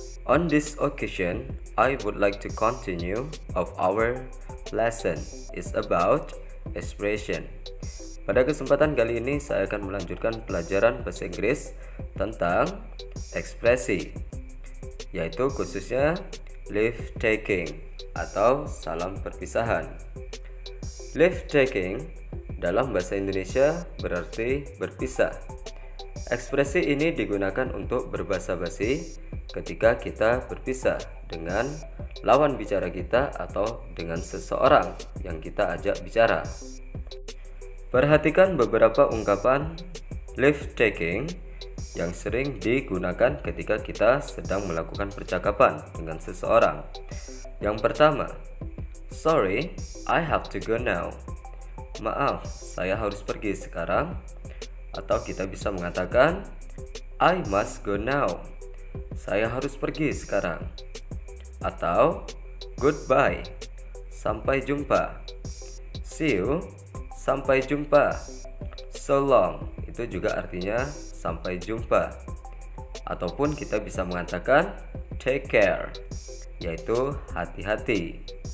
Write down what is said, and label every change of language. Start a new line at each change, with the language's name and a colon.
English: On this occasion, I would like to continue of our lesson is about expression.
Indonesian: Pada kesempatan kali ini, saya akan melanjutkan pelajaran bahasa Inggris tentang ekspresi, yaitu khususnya leave taking atau salam perpisahan. Leave taking dalam bahasa Indonesia berarti berpisah. Ekspresi ini digunakan untuk berbasa-basi ketika kita berpisah dengan lawan bicara kita atau dengan seseorang yang kita ajak bicara. Perhatikan beberapa ungkapan leave taking yang sering digunakan ketika kita sedang melakukan percakapan dengan seseorang. Yang pertama,
English: sorry, I have to go now.
Indonesian: Maaf, saya harus pergi sekarang. Atau kita bisa mengatakan,
English: I must go now.
Indonesian: Saya harus pergi sekarang. Atau, goodbye. Sampai jumpa.
English: See you.
Indonesian: Sampai jumpa.
English: So long.
Indonesian: Itu juga artinya sampai jumpa. Ataupun kita bisa mengatakan,
English: take care.
Indonesian: Yaitu hati-hati.